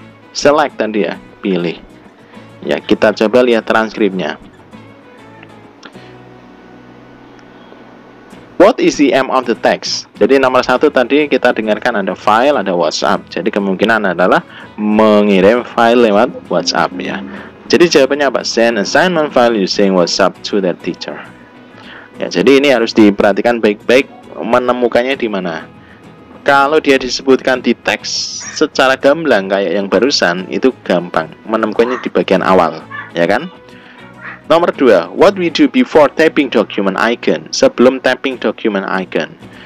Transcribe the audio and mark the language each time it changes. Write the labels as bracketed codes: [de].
[id] Select tadi ya, pilih. Ya, kita coba lihat transkripnya. [en] What is the aim of the text? [id] Jadi nomor satu tadi kita dengarkan ada file, ada WhatsApp. Jadi kemungkinan adalah mengirim file lewat WhatsApp ya. Jadi jawabannya apa? [en] Send assignment file using WhatsApp to their teacher. [id] Ya, jadi ini harus diperhatikan baik-baik menemukannya di mana. Kalau dia disebutkan di teks secara gamblang kayak yang barusan, itu gampang menemukannya di bagian awal, ya kan? [en] Nomor 2, what we do before typing document icon? Sebelum typing document icon.